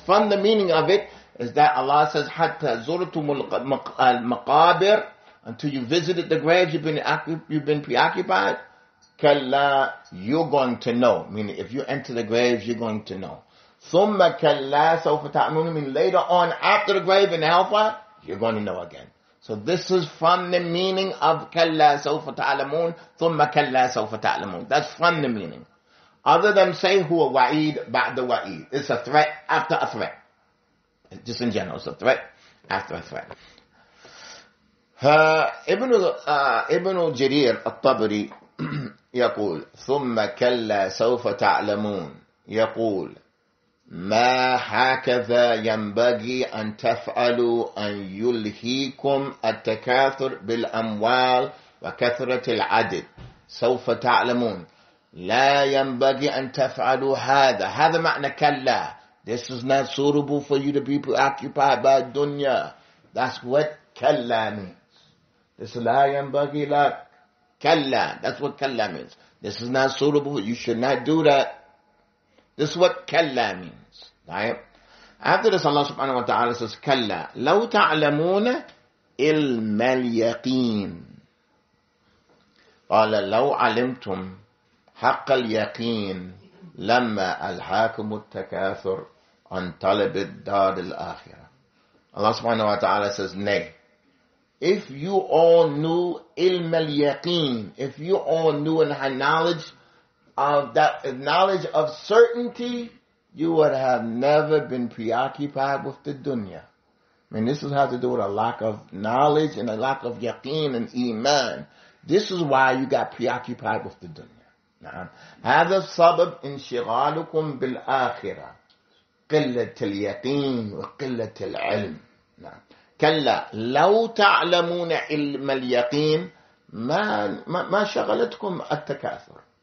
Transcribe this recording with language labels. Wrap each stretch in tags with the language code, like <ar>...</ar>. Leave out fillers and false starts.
<en>From the meaning of it is that Allah says,</en> <ar>حتى زرتم المقابر,</ar> <en>until you visited the graves, you've been preoccupied. كلا, you're going to know. Meaning, if you enter the graves, you're going to know.</en> <ar>ثم كلا سوف تعلمون,</ar> <en>meaning later on, after the grave in hellfire, you're going to know again. So this is from the meaning of</en> <ar>كلا سوف تعلمون, ثم كلا سوف تعلمون.</ar> <en>That's from the meaning. Other than say</en> <ar>هو وعيد بعد وعيد.</ar> <en>It's a threat after a threat. Just in general, it's a threat after a threat.</en> <ar>Ibn Jarir al-Tabri يقول ثم كلا سوف تعلمون يقول ما هكذا ينبغي أن تفعلوا أن يلهيكم التكاثر بالأموال وكثرة العدد سوف تعلمون لا ينبغي أن تفعلوا هذا. هذا معنى كلا.</ar> <en>This is not suitable for you to be preoccupied by dunya. That's what كلا means. This</en> <ar>لا ينبغي لا كلا.</ar> <en>That's what كلا means. This is not suitable. You should not do that. This is what كلا means. Right? After this, Allah subhanahu wa ta'ala says,</en> <ar>كلا لو تعلمون علم اليقين. قال لو علمتم حق اليقين لما ألحاكم التكاثر عن طلب الدار الآخرة.</ar> <en>Allah subhanahu wa ta'ala says, nay. If you all knew</en> <ar>علم اليقين,</ar> <en>if you all knew and had knowledge of that knowledge of certainty, you would have never been preoccupied with the dunya. I mean, this has to do with a lack of knowledge and a lack of yaqeen and iman. This is why you got preoccupied with the dunya.</en> <ar>هذا سبب انشغالكم بالآخرة قلة اليقين وقلة العلم. كلا لو تعلمون علم اليقين ما شغلتكم التكاثر.</ar>